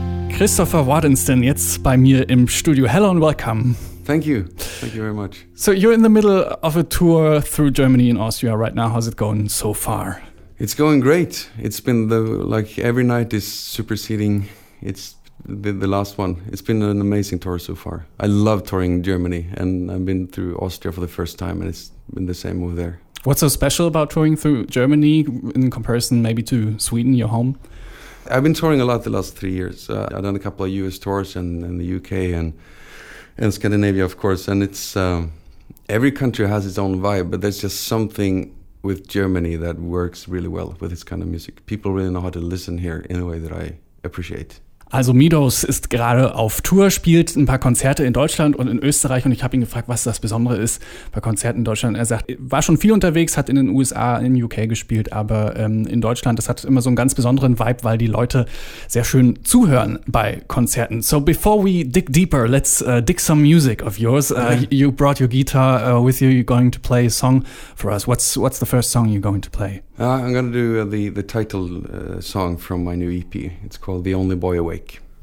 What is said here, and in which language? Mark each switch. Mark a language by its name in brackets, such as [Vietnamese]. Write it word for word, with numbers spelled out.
[German] Christopher Waddenston jetzt bei mir im Studio. [English] Hello and welcome. Thank you. Thank you very much. So you're in the middle of a tour through Germany and Austria right now. How's it going so far? It's going great. It's been the like every night is superseding. It's the, the last one. It's been an amazing tour so far. I love touring Germany, and I've been through Austria for the first time, and it's been the same over there. What's so special about touring through Germany in comparison maybe to Sweden, your home? I've been touring a lot the last three years. Uh, I've done a couple of U S tours and, and the U K and. And Scandinavia, of course, and it's um, every country has its own vibe, but there's just something with Germany that works really well with this kind of music. People really know how to listen here in a way that I appreciate. [German] Also Meadows ist gerade auf Tour, spielt ein paar Konzerte in Deutschland und in Österreich, und ich habe ihn gefragt, was das Besondere ist bei Konzerten in Deutschland. Er sagt, war schon viel unterwegs, hat in den U S A, in U K gespielt, aber ähm, in Deutschland, das hat immer so einen ganz besonderen Vibe, weil die Leute sehr schön zuhören bei Konzerten. [English] So before we dig deeper, let's uh, dig some music of yours. Uh, you brought your guitar uh, with you, you're going to play a song for us. What's what's the first song you're going to play? Uh, I'm going to do uh, the, the title uh, song from my new E P. It's called The Only Boy Awake.